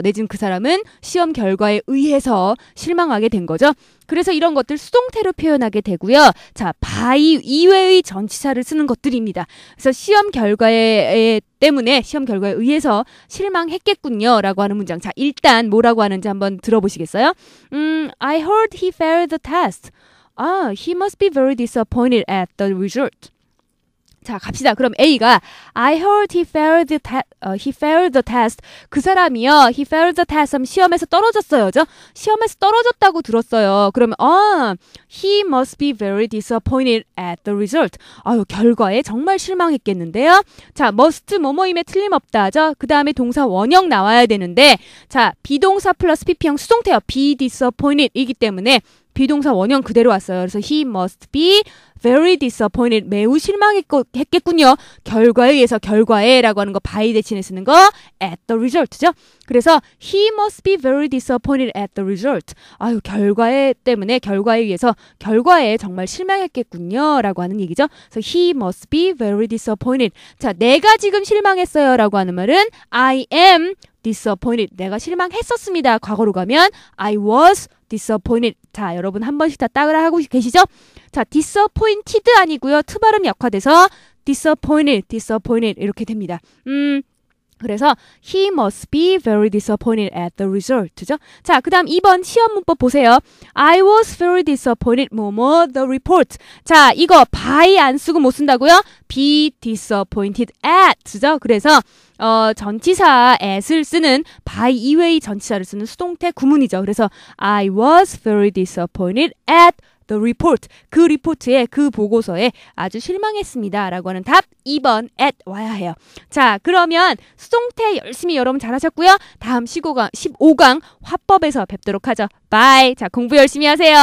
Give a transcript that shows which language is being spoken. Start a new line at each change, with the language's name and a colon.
Korean: 내지는 그 사람은 시험 결과에 의해서 실망하게 된 거죠. 그래서 이런 것들 수동태로 표현하게 되고요. 자, by 이외의 전치사를 쓰는 것들입니다. 그래서 시험 결과에 때문에 시험 결과에 의해서 실망했겠군요 라고 하는 문장. 자, 일단 뭐라고 하는지 한번 들어보시겠어요?
English: I heard he failed the test. Ah, he must be very disappointed at the result.
Korean: 자, 갑시다. 그럼 A가
English: I heard he failed the test. He failed the test.
Korean: 하면 시험에서 떨어졌어요죠? 시험에서 떨어졌다고 들었어요. 그러면
English: he must be very disappointed at the result.
Korean: 아유, 결과에 정말 실망했겠는데요. 자, must 뭐뭐임에 틀림없다죠. 그 다음에 동사 원형 나와야 되는데, 자, 비동사 플러스 PP형 수동태어 be disappointed이기 때문에 비동사 원형 그대로 왔어요.
English: 그래서 he must be very disappointed.
Korean: 매우 실망했겠군요. 결과에 의해서 결과에 라고 하는 거 by 대신에 쓰는 거
English: at the result
Korean: 죠.
English: 그래서 he must be very disappointed at the result.
Korean: 아유, 결과에 때문에 결과에 의해서 결과에 정말 실망했겠군요 라고 하는 얘기죠. 그래서
English: he must be very disappointed.
Korean: 자, 내가 지금 실망했어요 라고 하는 말은
English: I am disappointed.
Korean: 내가 실망했었습니다. 과거로 가면
English: I was disappointed.
Korean: 자, 여러분 한 번씩 다 따라 하고 계시죠? 자, disappointed 아니고요. 트 발음 약화돼서 disappointed, disappointed 이렇게 됩니다.
English: 그래서 he must be very disappointed at the result죠.
Korean: 자, 그 다음 2번 시험 문법 보세요.
English: I was very disappointed momo the report.
Korean: 자, 이거 by 안 쓰고 못 쓴다고요?
English: be disappointed at죠.
Korean: 그래서 전치사 at을 쓰는 by 이외의 전치사를 쓰는 수동태 구문이죠.
English: 그래서 I was very disappointed at the report.
Korean: 그 리포트에, 그 보고서에 아주 실망했습니다. 라고 하는 답 2번 at 와야 해요. 자, 그러면 수동태 열심히 여러분 잘하셨고요. 다음 15강 화법에서 뵙도록 하죠. Bye. 자, 공부 열심히 하세요.